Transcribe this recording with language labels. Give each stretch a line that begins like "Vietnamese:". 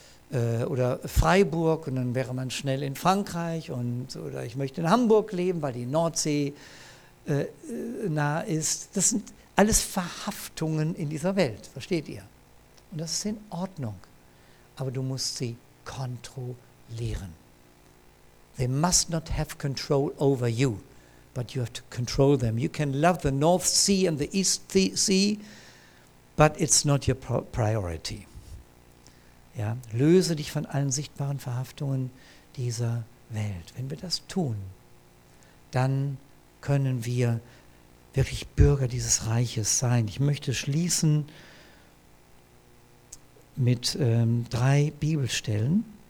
German: oder Freiburg und dann wäre man schnell in Frankreich und oder ich möchte in Hamburg leben, weil die Nordsee nah ist. Das sind alles Verhaftungen in dieser Welt, versteht ihr? Und das ist in Ordnung, aber du musst sie kontrollieren.
English: They must not have control over you, but you have to control them. You can love the North Sea and the East Sea, but it's not your priority.
German: Ja, löse dich von allen sichtbaren Verhaftungen dieser Welt. Wenn wir das tun, dann können wir wirklich Bürger dieses Reiches sein. Ich möchte schließen mit drei Bibelstellen.